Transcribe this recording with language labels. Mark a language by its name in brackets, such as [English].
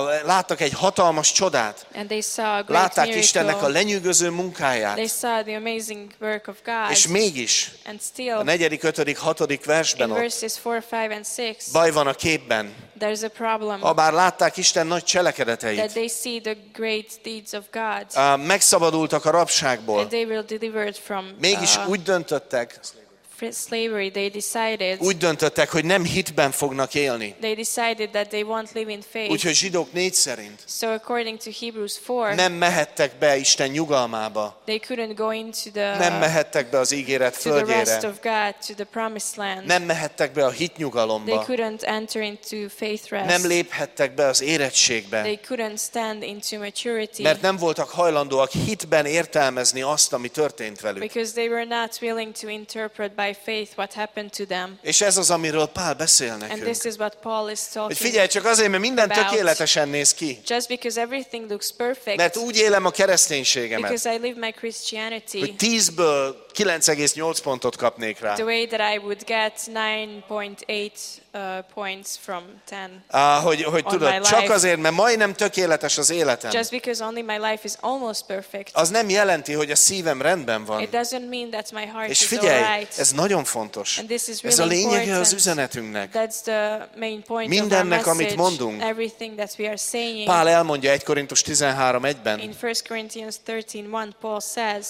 [Hungarian] Láttak egy hatalmas csodát. [English] And they saw a great [Hungarian] látták [English] miracle. [Hungarian] Istennek a lenyűgöző munkáját. [English] They saw the amazing work of God. [Hungarian] És mégis [English] and still, [Hungarian] a 4., 5., 6. versben [English] in verses 4, 5 and 6, [Hungarian] baj van a képben. [English] There's a problem. [Hungarian] Habár látták Isten nagy cselekedeteit. [English] That they see the great deeds of God. [Hungarian] Megszabadultak a rabságból. [English] And they were delivered from, [Hungarian] mégis úgy döntöttek, [English] slavery, they decided, [Hungarian] úgy döntöttek, hogy nem hitben fognak élni. [English] They decided that they won't live in faith. [Hungarian] Úgyhogy zsidók 4 szerint. [English] So according to Hebrews 4, [Hungarian] nem mehettek be Isten nyugalmába. [English] They couldn't go into the, [Hungarian] nem mehettek be az ígéret [English] to [Hungarian] földjére. [English] The rest of God, to the promised land. [Hungarian] Nem mehettek be a hit nyugalomba. [English] They couldn't enter into faith rest. [Hungarian] Nem léphettek be az érettségbe. [English] They couldn't stand into maturity. [Hungarian] Mert nem voltak hajlandóak hitben értelmezni azt, ami történt velük. [English] Because they were not willing to interpret by by faith what happened to them. [Hungarian] És ez az, amiről Pál beszél nekünk. [English] And this is what Paul is talking. [Hungarian] Hogy figyelj csak azért, mert minden tökéletesen néz ki. [English] Just because everything looks perfect. [Hungarian] Mert úgy élem a kereszténységemet. [English] Because I live my Christianity. [Hungarian] Hogy 10-ből 9,8 pontot kapnék rá. [English] The way that I would get 9.8 points from 10. [Hungarian] Hogy tudod, csak azért, mert majdnem tökéletes az életem. [English] Just because only my life is almost perfect. [Hungarian] Az nem jelenti, hogy a szívem rendben van. [English] It doesn't mean that my heart is all right. [Hungarian] Ez nagyon fontos. [English] And this is really [Hungarian] ez a lényege [English] important. [Hungarian] Az üzenetünknek. [English] That's the main point [Hungarian] mindennek, [English] of our message, [Hungarian] amit mondunk. [English] Everything that we are saying. [Hungarian] Pál elmondja 1 Korintus 13:1-ben. [English] In 1 Corinthians 13:1 Paul says.